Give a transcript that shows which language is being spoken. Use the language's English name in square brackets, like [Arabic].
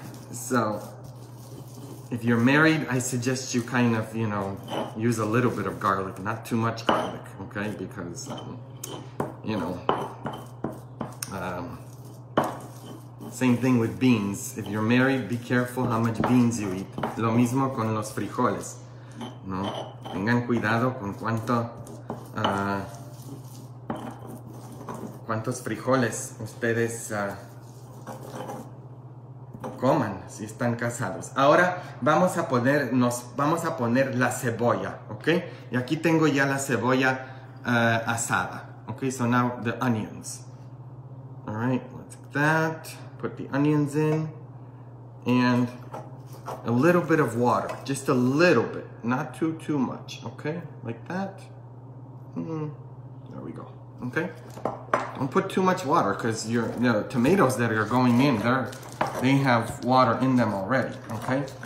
[English] So, if you're married, I suggest you kind of, you know, use a little bit of garlic, not too much garlic, okay? Because, you know, same thing with beans. If you're married, be careful how much beans you eat. [Spanish] Lo mismo con los frijoles, ¿no? Tengan cuidado con cuántos frijoles ustedes coman si están casados. Ahora vamos a poner la cebolla, ¿ok? Y aquí tengo ya la cebolla asada, ¿ok? [English] So now the onions. All right, let's get that. Put the onions in, and a little bit of water, just a little bit, not too much, okay? Like that. There we go, okay? Don't put too much water, because the tomatoes that are going in, they have water in them already, okay?